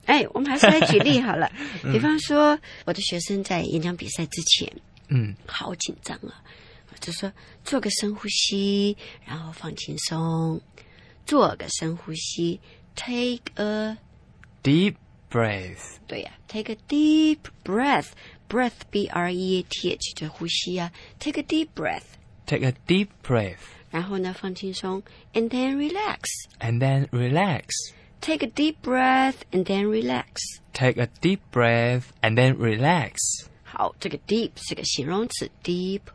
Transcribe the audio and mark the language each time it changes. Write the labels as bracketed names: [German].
[Chinese] 哎，我们还是来举例好了。比方说我的学生在演讲比赛之前好紧张啊，就说做个深呼吸，然后放轻松，做个深呼吸 ， [English] take a deep breath。 [Chinese] 对呀、， [English] take a deep breath，breath breath [Chinese] 就呼吸啊 [English] ，take a deep breath，take a deep breath。 [Chinese] 然后呢，放轻松 ， [English] and then relax，and then relax。 Take a deep breath and then relax。 Take a deep breath and then relax。 [Chinese] 好，这个 deep 是个形容词 ，deep。